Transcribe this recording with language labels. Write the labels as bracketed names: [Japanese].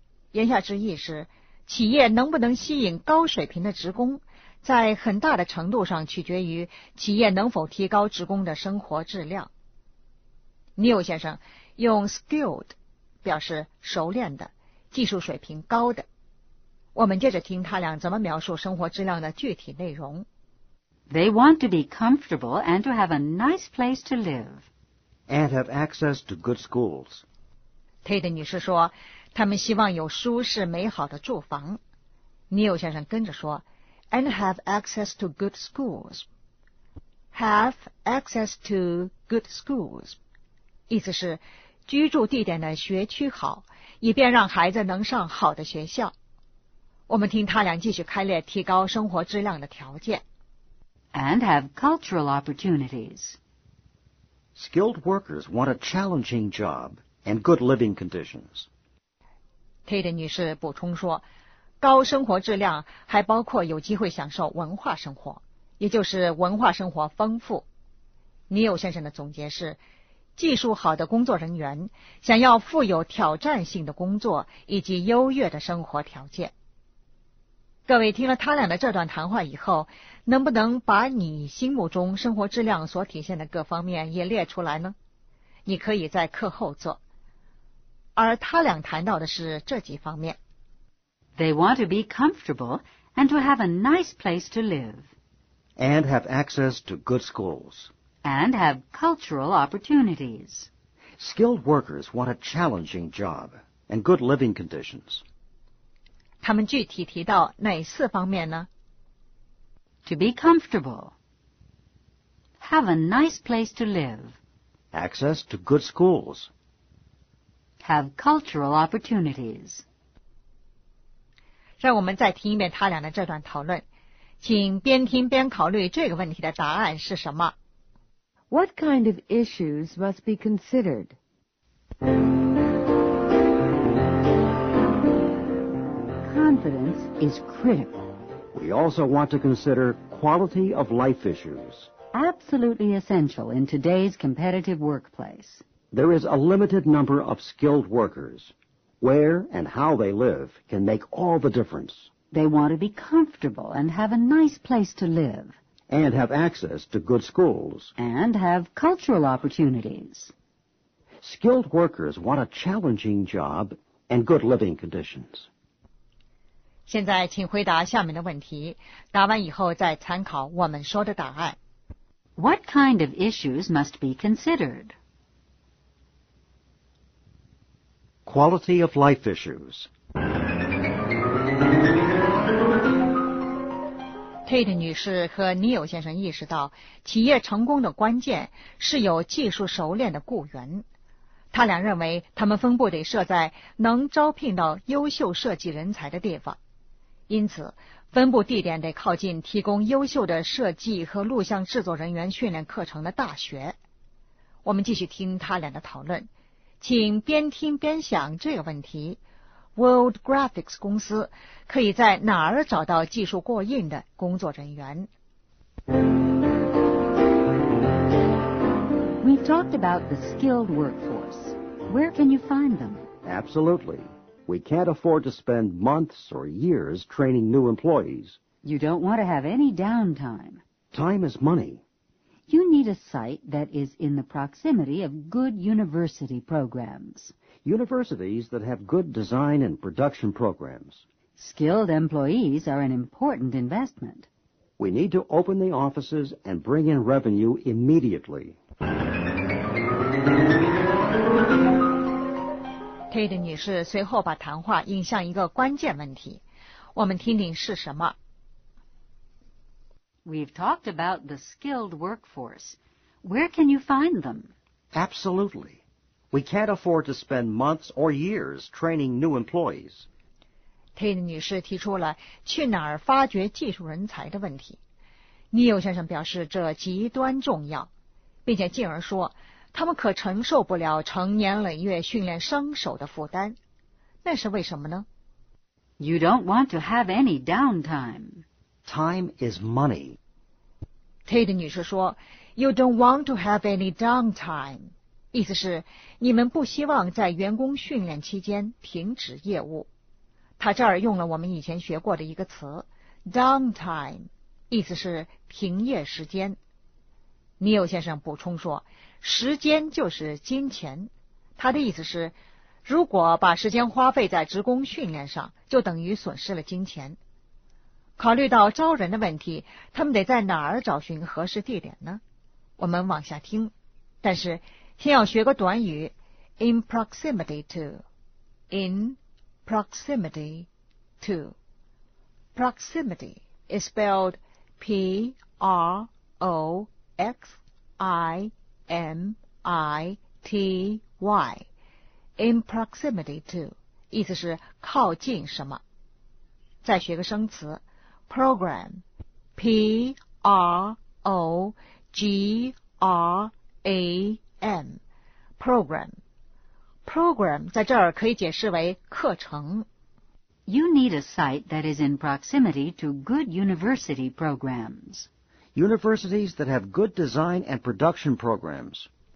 [Chinese] 言下之意是，企业能不能吸引高水平的职工，在很大的程度上取决于企业能否提高职工的生活质量。尼尔先生用 skilled 表示熟练的，技术水平高的。我们接着听他俩怎么描述生活质量的具体内容。 [English] They want to be comfortable and to have a nice place to live. And have access to good schools. [Chinese] Tate 女士说，他们希望有舒适美好的住房。 [English] Neil [Chinese] 先生跟着说 [English] ,and have access to good schools. Have access to good schools. [Chinese] 意思是居住地点的学区好，以便让孩子能上好的学校。我们听他俩继续开列提高生活质量的条件。 [English] And have cultural opportunities. Skilled workers want a challenging job and good living conditions. [Chinese] Tate 女士补充说，高生活质量还包括有机会享受文化生活，也就是文化生活丰富。 Neil 先生的总结是，技术好的工作人员想要富有挑战性的工作以及优越的生活条件。各位听了他俩的这段谈话以后，能不能把你心目中生活质量所体现的各方面也列出来呢？你可以在课后做。而他俩谈到的是这几方面。 [English] They want to be comfortable and to have a nice place to live. And have access to good schools. And have cultural opportunities. Skilled workers want a challenging job and good living conditions. [Chinese] 他们具体提到哪四方面呢？ [English] To be comfortable. Have a nice place to live. Access to good schools. Have cultural opportunities. [Chinese] 让我们再听一遍他俩的这段讨论，请边听边考虑这个问题的答案是什么。 [English] What kind of issues must be considered? Confidence is critical. We also want to consider quality of life issues. Absolutely essential in today's competitive workplace. There is a limited number of skilled workers. Where and how they live can make all the difference. They want to be comfortable and have a nice place to live. And have access to good schools. And have cultural opportunities. Skilled workers want a challenging job and good living conditions. [Chinese] 现在请回答下面的问题，答完以后再参考我们说的答案。 [English] What kind of issues must be considered? Quality of life issues. [Chinese] Tate 女士和 Neil 先生意识到，企业成功的关键是有技术熟练的雇员。他俩认为，他们分部得设在能招聘到优秀设计人才的地方。因此，分布地点得靠近提供优秀的设计和录像制作人员训练课程的大学。我们继续听他俩的讨论，请边听边想这个问题： World Graphics 公司，可以在哪儿找到技术过硬的工作人员？ [English] We've talked about the skilled workforce. Where can you find them? Absolutely. We can't afford to spend months or years training new employees. You don't want to have any downtime. Time is money. You need a site that is in the proximity of good university programs. Universities that have good design and production programs. Skilled employees are an important investment. We need to open the offices and bring in revenue immediately. [Chinese] Tate 女士随后把谈话引向一个关键问题，我们听听是什么。 [English] We've talked about the skilled workforce. Where can you find them? Absolutely. We can't afford to spend months or years training new employees. [Chinese] Tate 女士提出了去哪儿发掘技术人才的问题。 Neil 先生表示这极端重要，并且进而说他们可承受不了成年累月训练生手的负担，那是为什么呢？ [English] You don't want to have any downtime. Time is money. Tate [Chinese] 女士说 [English] You don't want to have any downtime. [Chinese] 意思是你们不希望在员工训练期间停止业务。她这儿用了我们以前学过的一个词 downtime， 意思是停业时间。 Neil 先生补充说时间就是金钱，他的意思是如果把时间花费在职工训练上就等于损失了金钱。考虑到招人的问题，他们得在哪儿找寻合适地点呢？我们往下听，但是先要学个短语 [English] in proximity to。 in proximity to， proximity is spelled P-R-O-X-I-M-I-T-Y, in proximity to, [Chinese] 意思是靠近什么。再学个生词 [English] program, P-R-O-G-R-A-M, program. [Chinese] Program 在这儿可以解释为课程。 [English] You need a site that is in proximity to good university programs. Universities that have good design and production programs.